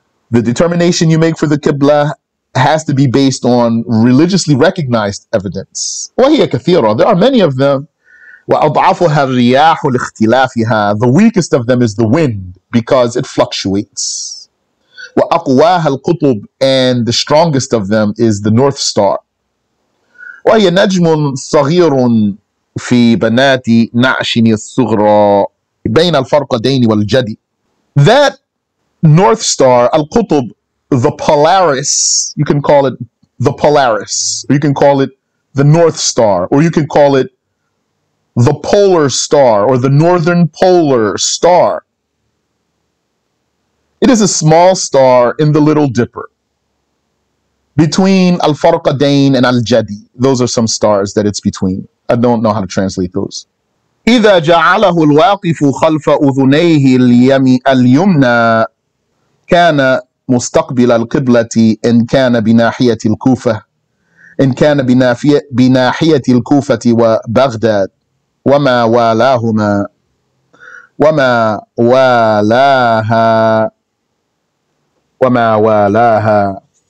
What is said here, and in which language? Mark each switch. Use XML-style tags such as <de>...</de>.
<en>The determination you make for the Qibla has to be based on religiously recognized evidence.</en> <ar>وَهِيَ كَثِيرًا.</ar> <en>There are many of them.</en> <ar>وَأَضْعَفُهَا الرِّيَاحُ لِاخْتِلَافِهَا.</ar> <en>The weakest of them is the wind, because it fluctuates.</en> <ar>وَأَقْوَاهَا الْقُطُبُ.</ar> <en>And the strongest of them is the North Star.</en> <ar>وَهِيَ نَجْمٌ صَغِيرٌ في بنات نعشن الصغرى بين الفرقدين والجدي.</ar> <en>That North Star, Al-Qutb, the Polaris, you can call it the Polaris, or you can call it the North Star, or you can call it the Polar Star, or the Northern Polar Star. It is a small star in the Little Dipper, between Al-Farqadain and Al-Jadi. Those are some stars that it's between. I don't know how to translate those.</en> <ar>إذا جعله الواقف خلف أذنيه اليمنى كان مستقبل القبلة إن كان بناحية الكوفة إن كان بناحية الكوفة وبغداد وما والاهما وما والاها وما والاها.</ar>